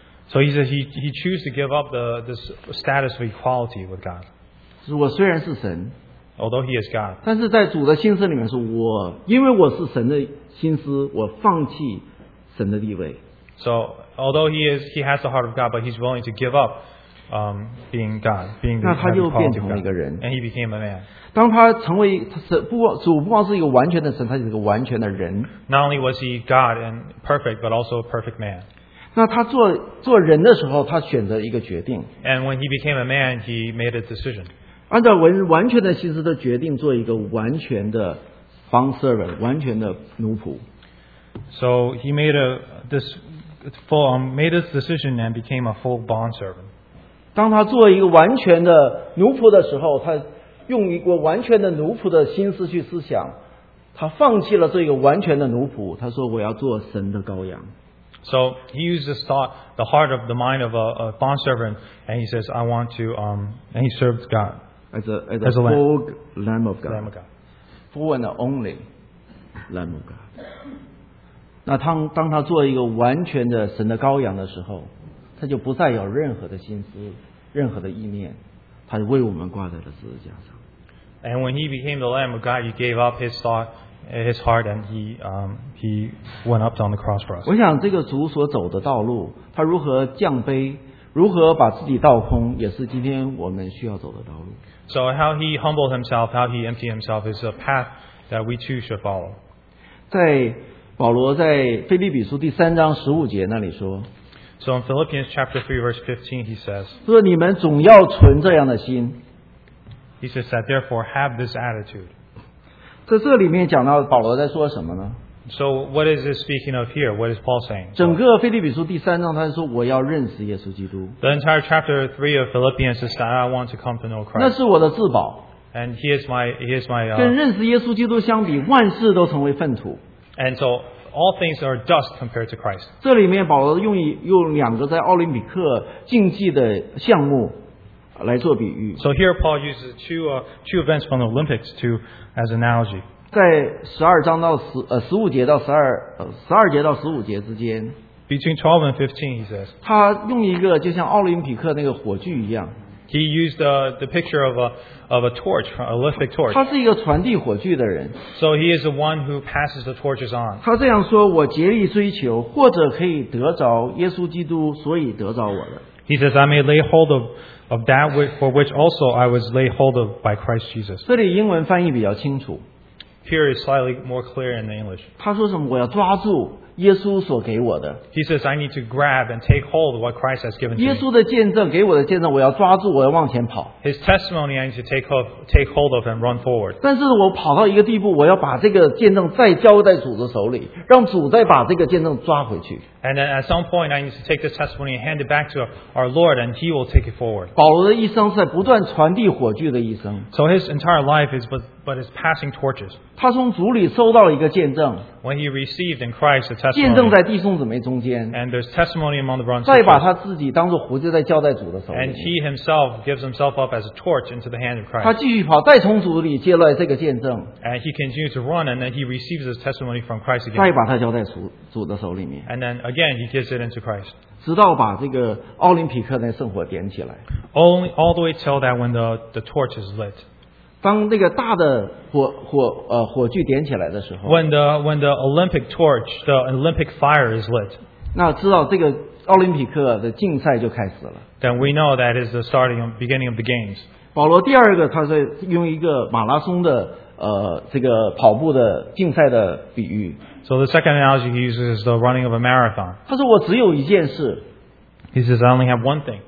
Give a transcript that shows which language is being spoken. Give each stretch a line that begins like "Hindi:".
English: so he said he chose to give up this status of equality with God.
Chinese: 我虽然是神,
English: although he is God,
Chinese: 但是在主的心思里面是我因为我是神的心思，我放弃神的地位。
English: So although he has the heart of God, but he's willing to give up being God, being the quality of God, and he became a man.
Chinese: 当他成为神，不光主不光是一个完全的神，他是一个完全的人。
English: Not only was he God and perfect, but also a perfect man.
Chinese: 那他做人的时候，他选择一个决定。
English: And when he became a man, he made a decision.
Chinese: 按照完全的心思的决定，做一个完全的
English: bond servant,
Chinese: 完全的奴仆。
English: So he made this decision and became a full bond servant.
Chinese: 当他做一个完全的奴仆的时候，他用一个完全的奴仆的心思去思想，他放弃了这个完全的奴仆，他说我要做神的羔羊。
English: So he used this thought, the heart of the mind of a bond servant, and he says, I want to, and he serves God as a lamb. Full lamb of God. Lamb of God. Full and only lamb of God.
Chinese: 那当他做一个完全的神的羔羊的时候，他就不再有任何的心思，任何的意念，他为我们挂在了十字架上。
English: And when he became the lamb of God, he gave up his thought, his heart, and he went up on the cross for us.
Chinese: 我想这个主所走的道路，他如何降卑，如何把自己倒空，也是今天我们需要走的道路。
English: So how he humbled himself, how he emptied himself is a path that we too should follow.
Chinese: 在保罗在腓立比书第三章十五节那里说，
English: So in Philippians chapter 3 verse 15 he says,
Chinese: 说你们总要存这样的心。
English: He says that therefore have this attitude.
Chinese: 在这里面讲到保罗在说什么呢？
English: So what is this speaking of here? What is Paul saying?
Chinese: 整个腓立比书第三章他说我要认识耶稣基督。
English: The entire chapter 3 of Philippians is that I want to come to know Christ.
Chinese: 那是我的自保。
English: And here's my
Chinese: 跟认识耶稣基督相比，万事都成为粪土。
English: And so all things are dust compared to Christ.
Chinese: 这里面保罗用两个在奥林匹克竞技的项目来做比喻。
English: So here Paul uses two events from the Olympics to as analogy.
Chinese: 在12章到15节到12节到15节之间。
English: Between 12 and 15, he says.
Chinese: 他用一个就像奥林匹克那个火炬一样。
English: He used the picture of a torch, an Olympic torch.
Chinese: 他是一个传递火炬的人。
English: So he is the one who passes the torches on.
Chinese: 他这样说，我竭力追求，或者可以得着耶稣基督，所以得着我的。
English: He says, I may lay hold of that for which also I was laid hold of by Christ Jesus.
Chinese: 这里英文翻译比较清楚。
English: Here is slightly more clear in the English.
Chinese: 他说什么？我要抓住耶稣所给我的。
English: He says, I need to grab and take hold of what Christ has given to me.
Chinese: 耶稣的见证，给我的见证，我要抓住，我要往前跑。
English: His testimony, I need to take hold of and run forward.
Chinese: 但是我跑到一个地步，我要把这个见证再交在主的手里，让主再把这个见证抓回去。
English: And then at some point, I need to take this testimony and hand it back to our Lord, and He will take it forward.
Chinese: 保罗的一生是在不断传递火炬的一生。
English: So his entire life is but is passing torches.
Chinese: 他从主里收到了一个见证。
English: When he received in Christ a testimony.
Chinese: 见证在弟兄姊妹中间。
English: And there's testimony among the brothers.
Chinese: 再把他自己当作火炬再交在主的手里。
English: And he himself gives himself up as a torch into the hand of Christ.
Chinese: 他继续跑，再从主里接来这个见证。
English: And he continues to run, and then he receives his testimony from Christ again.
Chinese: 再把他交在主的手里面。
English: And then again, he gives it into Christ.
Chinese: 直到把这个奥林匹克那圣火点起来。
English: Only all the way till that when the torch is lit.
Chinese: 当那个大的 火炬点起来的时候，
English: when the Olympic torch, the Olympic fire is lit,
Chinese: 那知道这个奥林匹克的竞赛就开始了。
English: Then we know that is the starting beginning of the games.
Chinese: 保罗第二个他是用一个马拉松的这个跑步的竞赛的比喻。
English: So the second analogy he uses is the running of a marathon.
Chinese: 他说我只有一件事。
English: He says I only have one thing.